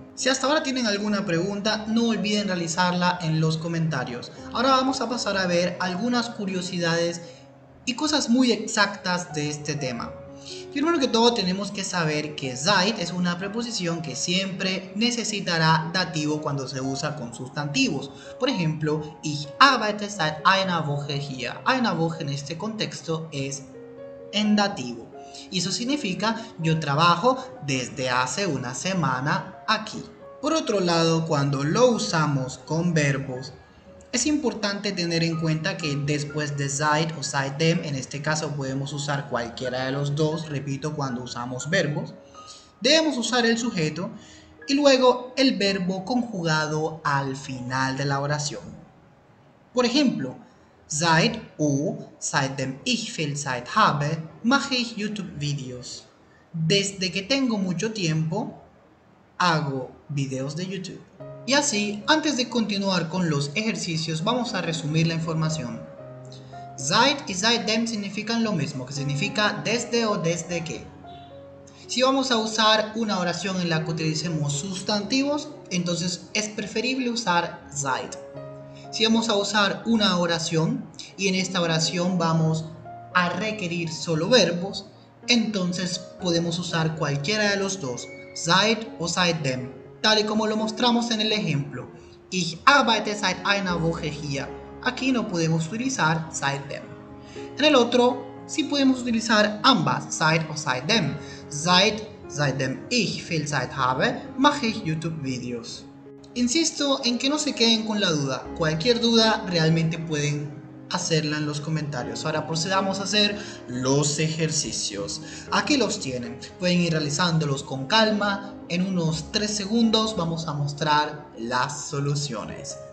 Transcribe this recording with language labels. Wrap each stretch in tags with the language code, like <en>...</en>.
<es>Si hasta ahora tienen alguna pregunta, no olviden realizarla en los comentarios. Ahora vamos a pasar a ver algunas curiosidades y cosas muy exactas de este tema. Primero que todo, tenemos que saber que Zeit es una preposición que siempre necesitará dativo cuando se usa con sustantivos. Por ejemplo,</es> <de>ich arbeite seit einer Woche hier.</de> <es>Eine Woche en este contexto es en dativo. Y eso significa yo trabajo desde hace una semana aquí. Por otro lado, cuando lo usamos con verbos, es importante tener en cuenta que después de Seit o Seitdem, en este caso podemos usar cualquiera de los dos, repito, cuando usamos verbos, debemos usar el sujeto y luego el verbo conjugado al final de la oración. Por ejemplo,</es> <de>Seit o seitdem ich viel Zeit habe, mache ich YouTube videos.</de> <es>Desde que tengo mucho tiempo, hago videos de YouTube. Y así, antes de continuar con los ejercicios, vamos a resumir la información. Seit y seitdem significan lo mismo, que significa desde o desde qué. Si vamos a usar una oración en la que utilicemos sustantivos, entonces es preferible usar Seit. Si vamos a usar una oración y en esta oración vamos a requerir solo verbos, entonces podemos usar cualquiera de los dos, Seit o Seitdem. Tal y como lo mostramos en el ejemplo,</es> <de>ich arbeite seit einer Woche hier.</de> <es>Aquí no podemos utilizar Seitdem. En el otro, sí podemos utilizar ambas, Seit o Seitdem.</es> <de>Seitdem ich viel Zeit habe, mache ich YouTube videos.</de> <es>Insisto en que no se queden con la duda. Cualquier duda realmente pueden hacerla en los comentarios. Ahora procedamos a hacer los ejercicios. Aquí los tienen. Pueden ir realizándolos con calma. En unos 3 segundos vamos a mostrar las soluciones.</es>